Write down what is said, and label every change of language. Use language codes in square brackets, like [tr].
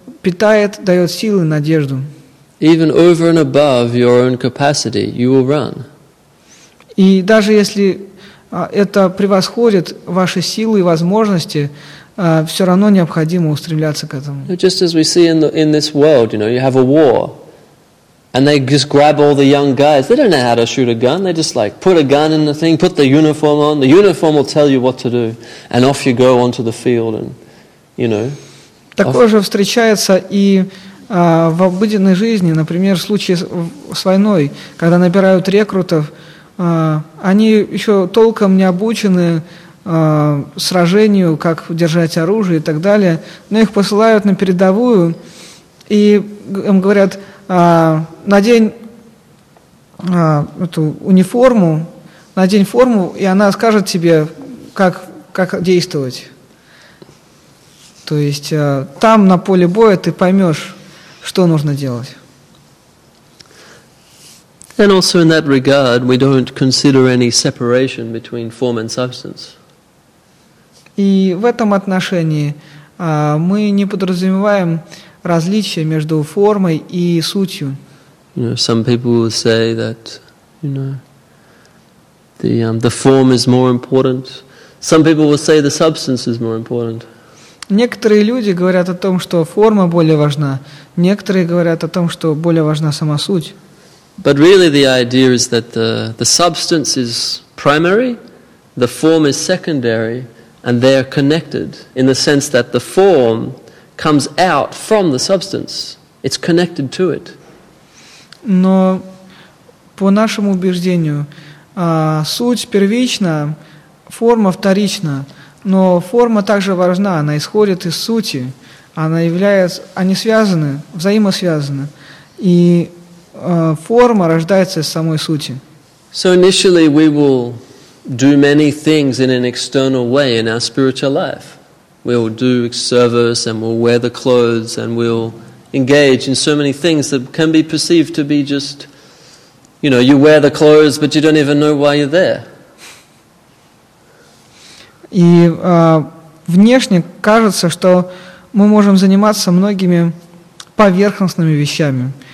[ru] питает, дает силы, надежду. [en] Even over and above your own capacity, you will run. [ru] И даже если это превосходит ваши силы и возможности, все равно необходимо устремляться к этому. [en] Just as we see in this world, you know, you have a war, and they just grab all the young guys. They don't know how to shoot a gun. They just like put a gun in the thing, put the uniform on. The uniform will tell you what to do, and off you go onto the field, and you know. [ru] Такое же встречается и в обыденной жизни, например, в случае с войной, когда набирают рекрутов. Они еще толком не обучены сражению, как держать оружие и так далее, но их посылают на передовую и им говорят: надень эту униформу, надень форму, и она скажет тебе, как действовать. То есть там, на поле боя, ты поймешь, что нужно делать. [en] And also in that regard, we don't consider any separation between form and substance. [ru] И в этом отношении мы не подразумеваем различия между формой и сутью. [en] You know, some people will say that, you know, the form is more important. Some people will say the substance is more important. [ru] Некоторые люди говорят о том, что форма более важна. Некоторые говорят о том, что более важна сама суть. [en] But really the idea is that the substance is primary, the form is secondary, and they are connected in the sense that the form comes out from the substance. It's connected to it. [ru] Но по нашему убеждению, суть первична, форма вторична, но форма также важна, она исходит из сути, она является, они связаны, взаимосвязаны. И форма рождается из самой сути. [en] So initially we will do many things in an external way in our spiritual life. We will do service and we'll wear the clothes and we'll engage in so many things that can be perceived to be just, you know, you wear the clothes but you don't even know why you're there. [ru] И внешне кажется, что мы можем заниматься многими поверхностными вещами.